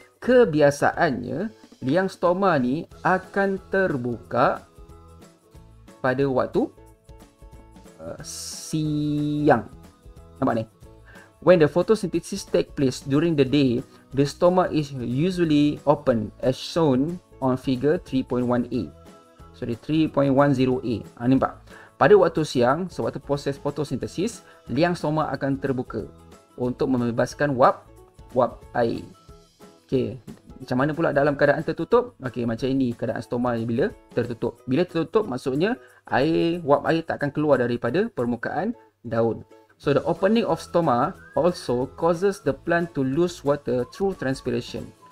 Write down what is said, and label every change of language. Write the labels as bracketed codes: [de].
[ms] Kebiasaannya, liang stoma ni akan terbuka pada waktu siang. Nampak ni? [en] When the photosynthesis take place during the day, the stoma is usually open as shown on figure 3.1a. [ms] Sorry, 3.10a. Nampak? Pada waktu siang, sewaktu proses fotosintesis, liang stoma akan terbuka untuk membebaskan wap air. Okey, macam mana pula dalam keadaan tertutup? Okey, macam ini keadaan stoma bila tertutup. Bila tertutup, maksudnya air, wap air tak akan keluar daripada permukaan daun. [en] So, the opening of stoma also causes the plant to lose water through transpiration.